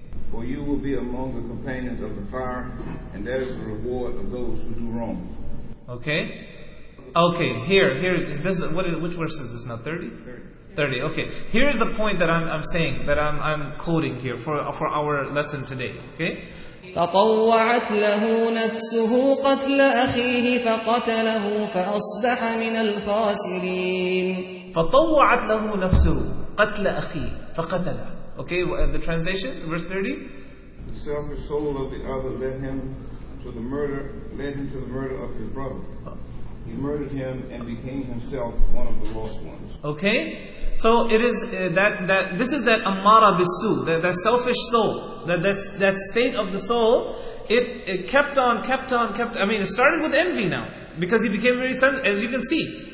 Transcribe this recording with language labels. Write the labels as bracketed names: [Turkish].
[English] "For you will be among the companions of the fire, and that is the reward of those who do wrong." Okay? Okay, which verse is this now? 30? 30, okay. Here's the point that I'm saying, that I'm quoting here for our lesson today, okay? [Arabic] "فطوعت له نفسه قتل أخيه فقتله فأصبح من الخاسرين." فطوعت له نفسه قتل أخيه فقتله. [English] Okay, the translation, verse 30. "The selfish soul of the other led him to the murder of his brother. He murdered him and became himself one of the lost ones." Okay? So it is that amara bisu, that selfish soul, that state of the soul, it kept on. I mean, it started with envy now, because he became very sensitive, as you can see.